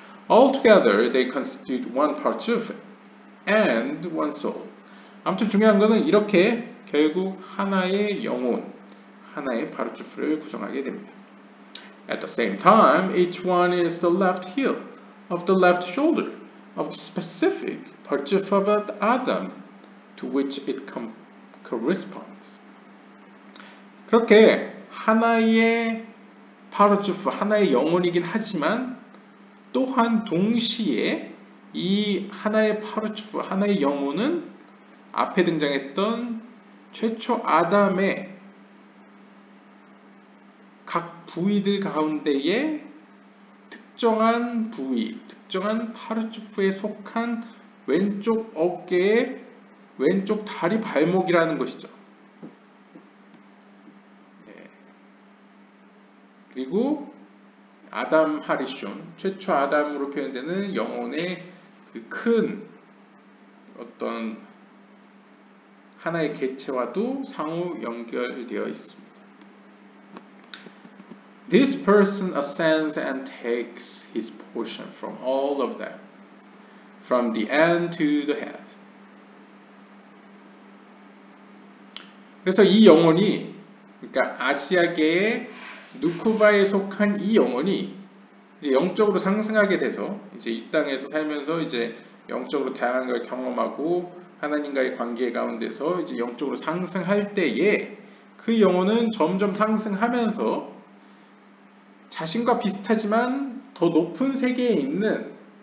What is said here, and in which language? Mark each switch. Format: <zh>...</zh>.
<en>Altogether, they constitute one part of and one soul.</en> <ko>아무튼 중요한 것은 이렇게 결국 하나의 영혼, 하나의 파르츠프를 구성하게 됩니다.</ko> <en>At the same time, each one is the left heel of the left shoulder of the specific part of Adam to which it corresponds.</en> <ko>그렇게 하나의 파르츠프, 하나의 영혼이긴 하지만 또한 동시에 이 하나의 파르츠프, 하나의 영혼은 앞에 등장했던 최초 아담의 각 부위들 가운데에 특정한 부위, 특정한 파르츠프에 속한 왼쪽 어깨의 왼쪽 다리 발목이라는 것이죠. 그리고 아담 하리숀, 최초 아담으로 표현되는 영혼의 그 큰 어떤 하나의 개체와도 상호 연결되어 있습니다.</ko> <en>This person ascends and takes his portion from all of them, from the end to the head.</en> <ko>그래서 이 영혼이, 그러니까 아시아계의 누쿠바에 속한 이 영혼이 이제 영적으로 상승하게 돼서 이제 이 땅에서 살면서 이제 영적으로 다양한 걸 경험하고 하나님과의 관계 가운데서 이제 영적으로 상승할 때에 그 영혼은 점점 상승하면서 자신과 비슷하지만 더 높은 세계에 있는</ko>